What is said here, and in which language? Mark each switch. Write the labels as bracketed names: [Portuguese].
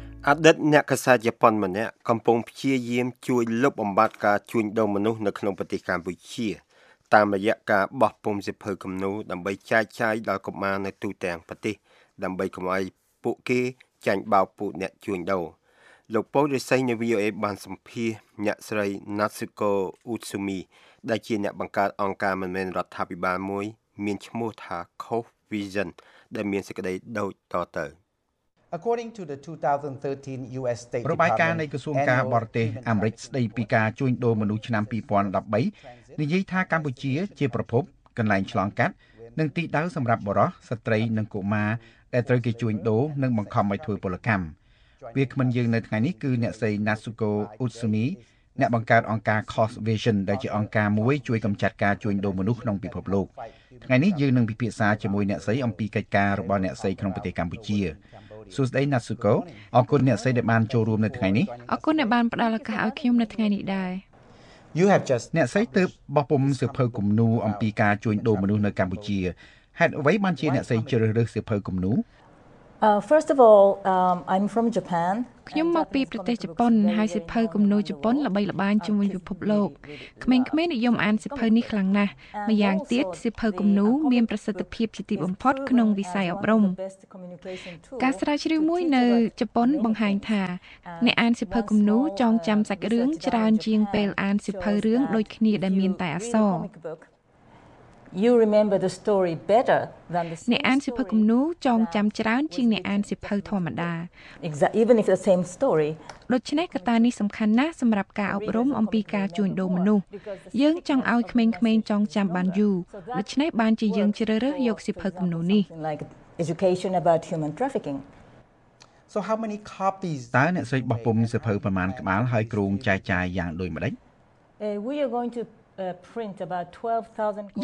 [Khmer] អតីតអ្នកកសាជប៉ុនម្នាក់កំពុងព្យាយាមជួយលុបបំបាត់ការជួញដូរមនុស្សនៅក្នុងប្រទេសកម្ពុជាតាមរយៈការបោះពុំសិភើគំនូដើម្បីចែកចាយដល់កុមារនៅទូទាំងប្រទេសដើម្បីកុំឲ្យពួកគេចាញ់បោកពួកអ្នកជួញដូរលោកពៅរិស័យនៃ VOA បានសម្ភាសអ្នកស្រី Natsuko Utsumi ដែលជាអ្នកបង្កើតអង្គការមិនមែនរដ្ឋាភិបាលមួយមានឈ្មោះថា Cove Vision ដែលមានសេចក្តីដូចតទៅ [English] According to the 2013 US State Department [Khmer] របាយការណ៍នៃក្រសួងការបរទេសអាមេរិកស្តីពីការជួញដូរមនុស្សឆ្នាំ2013និយាយថាកម្ពុជាជាប្រភពកន្លែងឆ្លងកាត់និងទីដៅសម្រាប់បុរសស្ត្រីនិងកុមារដែលត្រូវគេជួញដូរនិងបង្ខំឲ្យធ្វើពលកម្ម វាគ្មិនយើងនៅថ្ងៃនេះគឺអ្នកស្រី Natsuko Utsumi អ្នកបង្កើតអង្គការ Cost Vision ដែលជាអង្គការមួយជួយកម្ចាត់ការជួញដូរមនុស្សក្នុងពិភពលោកថ្ងៃនេះយើងនឹងពិភាក្សាជាមួយអ្នកស្រីអំពីកិច្ចការរបស់អ្នកស្រីក្នុងប្រទេសកម្ពុជាសួស្តី Natsuko អរគុណអ្នកស្រីដែលបានចូលរួមនៅថ្ងៃនេះ អរគុណដែលបានផ្តល់ឱកាសឲ្យខ្ញុំនៅថ្ងៃនេះដែរ [English] You have just [Khmer] អ្នកស្រីទើបបោះពុំសៀវភៅគំនូរអំពីការជួញដូរមនុស្សនៅកម្ពុជាហេតុអ្វីបានជាអ្នកស្រីជ្រើសរើសសៀវភៅគំនូរ [English] First of all I'm from Japan [Khmer] ខ្ញុំមកពីប្រទេសជប៉ុនហើយសៀវភៅគំនូរជប៉ុនល្បីល្បាញជាមួយពិភពលោកក្មេងៗនិយមអានសៀវភៅនេះខ្លាំងណាស់ម្យ៉ាងទៀតសៀវភៅគំនូរមានប្រសិទ្ធភាពជាទីបំផុតក្នុងវិស័យអប់រំការស្រាវជ្រាវមួយនៅជប៉ុនបង្ហាញថាអ្នកអានសៀវភៅគំនូរចងចាំសាច់រឿងច្រើនជាងពេលអានសៀវភៅរឿងដូចគ្នាដែលមានតែអក្សរ [English] You remember the story better than the [Khmer] អ្នកអានសៀវភៅគំនូរចងចាំច្រើនជាងអ្នកអានសៀវភៅធម្មតា [English] Exactly even if the same story [Khmer] ដូច្នេះកត្តានេះសំខាន់ណាស់សម្រាប់ការអប់រំអំពីការជួញដូរមនុស្សយើងចង់ឲ្យក្មេងៗចងចាំបានយូរដូច្នេះបានជាយើងជ្រើសរើសយកសៀវភៅគំនូរនេះ [English] Education about human trafficking So how many copies [Khmer] តើអ្នកស្រីបោះពុំសៀវភៅប្រមាណក្បាលហើយគ្រងចែកចាយយ៉ាងដូចម្តេច [English] We are going toprint about 12000